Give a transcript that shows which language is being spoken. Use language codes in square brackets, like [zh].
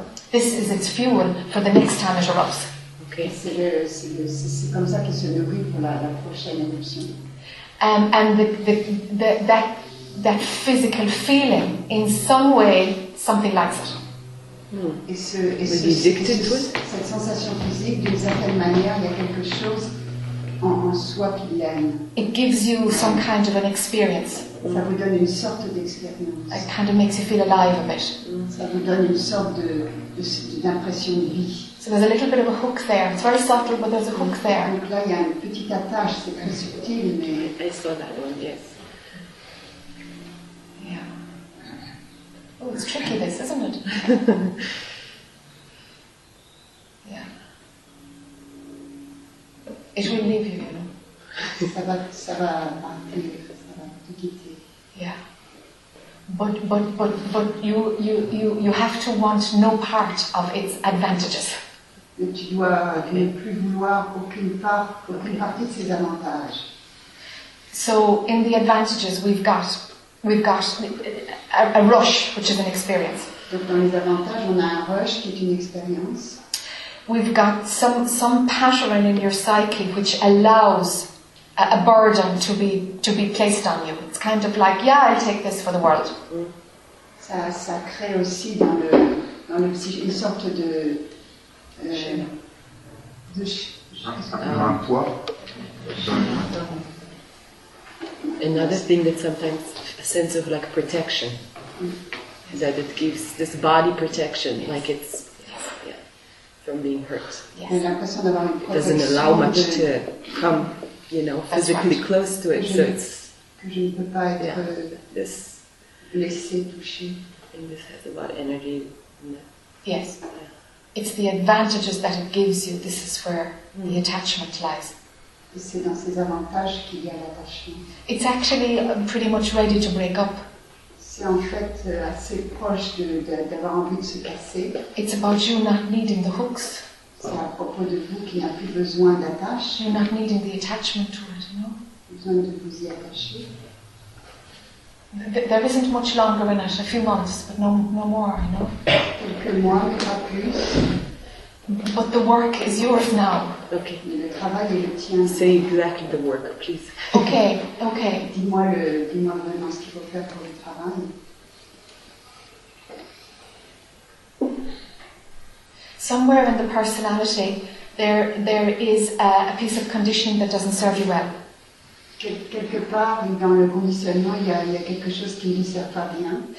[en] This is its fuel for the next time it erupts. Okay. And that physical feeling, in some way, something likes it. [fr] Cette sensation physique, d'une certaine manière, il y a quelque chose en soi qui l'aime. [en] It gives you some kind of an experience. [fr] Ça vous donne une sorte d'expérience. [en] It kind of makes you feel alive a bit. [fr] Ça vous donne une sorte d'impression de vie. [en] So there's a little bit of a hook there. It's very subtle, but there's a hook there. [fr] Donc là, il y a une petite attache, c'est très subtil, mais. [en] I saw that one, yes. Oh, it's tricky, this, isn't it? Yeah. It will leave you, you know. [fr] Ça va te quitter. [en] Yeah. But you have to want no part of its advantages. [fr] Mais tu dois ne plus vouloir aucune partie de ses avantages. [en] So in the advantages we've got a rush, which is an experience. [fr] Donc dans les avantages, on a un rush qui est une expérience. [en] We've got some pattern in your psyche which allows a burden to be placed on you. It's kind of like, yeah, I'll take this for the world. [fr] Ça crée aussi dans le psyché une sorte de un poids. [en] Another thing that sometimes a sense of like protection. That it gives this body protection, yes. Like it's from being hurt. Yes. It doesn't allow much to come, you know, physically right. Close to it. [fr] Que [en] so it's [fr] this laisser toucher. [en] And this has a lot of energy. Yes, it's the advantages that it gives you. This is where the attachment lies. [fr] C'est dans ces avantages qu'il y a l'attachement. [en] It's actually pretty much ready to break up. [fr] C'est en fait assez proche d'avoir envie de se casser. [en] It's about you not needing the hooks. [fr] C'est à propos de vous qui n'a plus besoin d'attache. [en] You're not needing the attachment to it, you know? [fr] Vous besoin de vous y attacher. [en] There isn't much longer in it, a few months, but no more, you know. [fr] Quelques mois, pas plus. [en] But the work is yours now. Okay. [fr] Le travail est le tien. [en] Say exactly the work, please. Okay. [fr] Dis-moi vraiment ce qu'il faut faire pour le travail. [en] Somewhere in the personality, there is a piece of conditioning that doesn't serve you well. [fr] Quelque part dans le conditionnement, il y a quelque chose qui ne lui sert pas bien.